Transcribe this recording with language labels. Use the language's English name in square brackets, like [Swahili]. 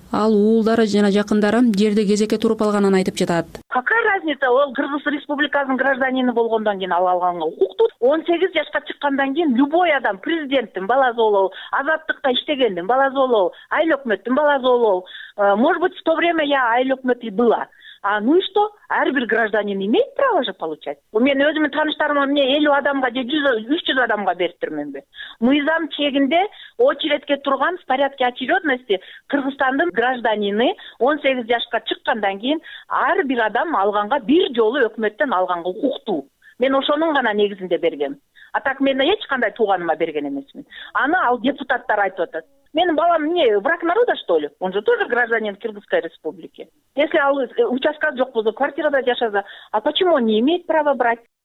[Kyrgyz] Ал уулдары жана жакындары жерди кезекке туруп алганын айтып жатат. [Russian] Какая разница, [Kyrgyz] ол Кыргыз Республикасынын гражданини болгондон кийин ал алган укукту. 18 жашка чыккандан кийин любой адам президенттин баласы болобу, азаттыкта иштегендин баласы болобу, айыл өкмөттүн баласы болобу. [Russian] Может быть, в то время я [Kyrgyz] айыл өкмөтү [Russian] была. А ну и что? [Kyrgyz] Ар бир гражданин [Russian] имеет право [Kyrgyz] же [Russian] получать. [Kyrgyz] Мен өзүмүн тааныштарыма эмне 50 адамга же 300 адамга берип турмунбу? Мыйзам чегинде очередке турган [Russian] в порядке очередности [Kyrgyz] Кыргызстандын гражданини 18 жашка чыккандан кийин ар бир адам алганга бир жолу өкмөттөн алган укуктуу. Мен ошонун гана негизинде бергем. А так мен эч кандай тууганыма берген эмесмин. Аны ал депутаттар айтып атат. Менин балам эмне [Russian] враг народа что ли? Он же тоже гражданин Кыргызской Республики. Если [Kyrgyz] ал участка жок болсо, квартирада жашаса, [Russian] а почему он не имеет права брать?